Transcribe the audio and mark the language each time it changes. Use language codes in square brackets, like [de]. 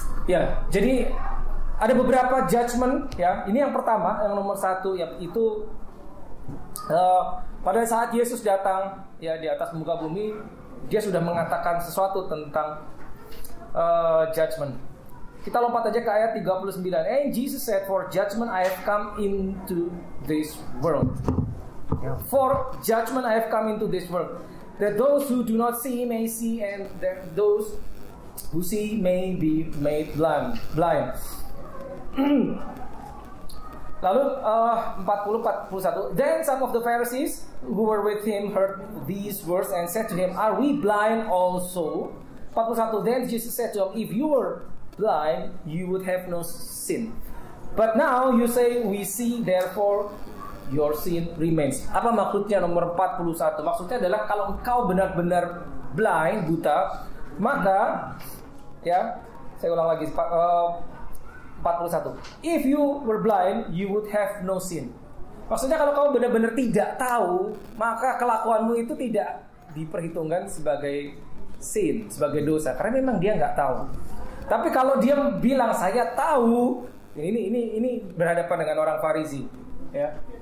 [id] Ya, jadi ada beberapa judgment ya. Ini yang pertama, yang nomor 1 yaitu pada saat Yesus datang ya di atas muka bumi, dia sudah mengatakan sesuatu tentang judgment. Kita lompat aja ke ayat 39. [en] And Jesus said, "For judgment I have come into this world." For judgment I have come into this world, that those who do not see may see, and that those who see may be made blind. Lalu 40-41. Then some of the Pharisees who were with him heard these words and said to him, "Are we blind also?" 41. Then Jesus said to him, "If you were blind, you would have no sin. But now you say we see, therefore your sin remains." [id] Apa maksudnya nomor 41? Maksudnya adalah kalau engkau benar-benar blind, buta, maka ya, saya ulang lagi 41. [en] If you were blind, you would have no sin. [id] Maksudnya kalau kau benar-benar tidak tahu, maka kelakuanmu itu tidak diperhitungkan sebagai sin, sebagai dosa, karena memang dia enggak tahu. Tapi kalau dia bilang saya tahu, ini berhadapan dengan orang Farisi, ya.